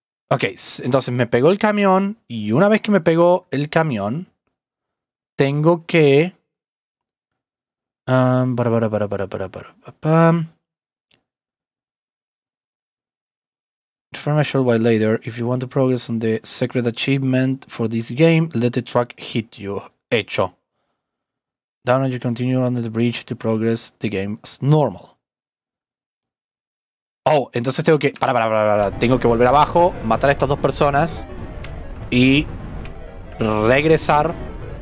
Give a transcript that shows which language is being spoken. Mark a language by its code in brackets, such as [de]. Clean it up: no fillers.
[es] Okay, entonces me pegó el camión y una vez que me pegó el camión, tengo que [en] inform a short while later. If you want to progress on the secret achievement for this game, let the truck hit you. [es] Hecho. [en] Down and you continue under the bridge to progress the game as normal. [es] Oh, entonces tengo que. Para. Tengo que volver abajo, matar a estas dos personas y regresar.